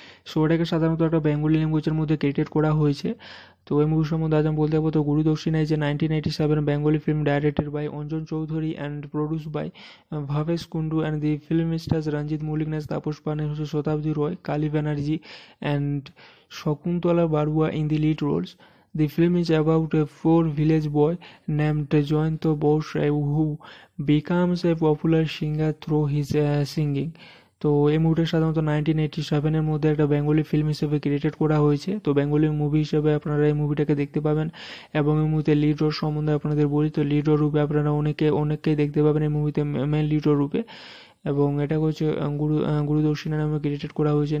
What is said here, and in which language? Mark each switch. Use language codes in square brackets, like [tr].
[bn] So এটাকে সাধারণত একটা বেঙ্গলি ল্যাঙ্গুয়েজের মধ্যে ক্রিয়েটেড করা হয়েছে। তো এই মুভি সম্বন্ধে আজ আমি বলতে যাবো। তো গুরুদক্ষিণা যে 1997 Bengali film, [en] Directed by Anjan Chowdhury and produce by Bhabesh Kundu, and the film stars Ranjit Mallick, নেস তাপস পাল, হচ্ছে Satabdi Roy, Kali Banerjee and Sakuntala Barua in the lead roles. The film is about a poor village boy named Jayanta Bose who becomes a popular singer through his singing. [bn] তো এই মুভিটা সাধারণত 1987-এর মধ্যে একটা Bengali film হিসেবে created করা হয়েছে। তো বেঙ্গলি মুভি হিসেবে আপনারা এই মুভিটাকে দেখতে পাবেন। এবং এই মুভিতে লিড রোল সম্বন্ধে আপনাদের বলি, তো লিড রোল রূপে আপনারা অনেককেই দেখতে পাবেন এই মুভিতে, মেন লিড রোল রূপে। এবং এটা হচ্ছে গুরু দক্ষিণা নামে ক্রেডিটেড করা হয়েছে।